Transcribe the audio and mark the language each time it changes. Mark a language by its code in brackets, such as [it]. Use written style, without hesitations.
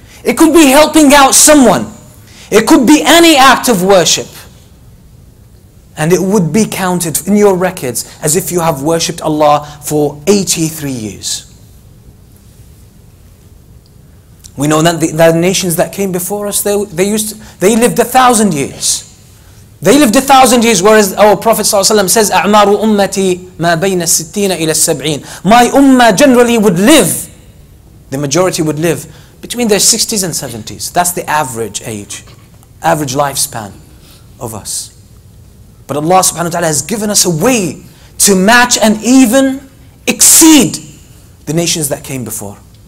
[en] It could be helping out someone. It could be any act of worship. And it would be counted in your records as if you have worshipped Allah for 83 years. We know that the nations that came before us, they lived 1,000 years. They lived 1,000 years, whereas our Prophet ﷺ says, [ar] أَعْمَارُ أُمَّتِي مَا بَيْنَ السِّتِّينَ إِلَى السَّبْعِينَ. [en] My ummah generally would live, the majority would live, between their 60s and 70s. That's the average age, average lifespan of us. But Allah subhanahu wa ta'ala has given us a way to match and even exceed the nations that came before.